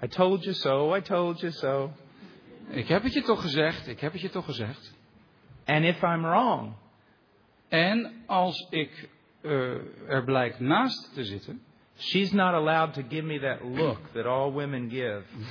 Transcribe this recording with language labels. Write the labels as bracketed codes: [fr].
[en] I told you so, I told you so. [nl] Ik heb het je toch gezegd, ik heb het je toch gezegd. [en] And if I'm wrong. [nl] En als ik er blijkt naast te zitten. [en] She's not allowed to give me that look that all women give.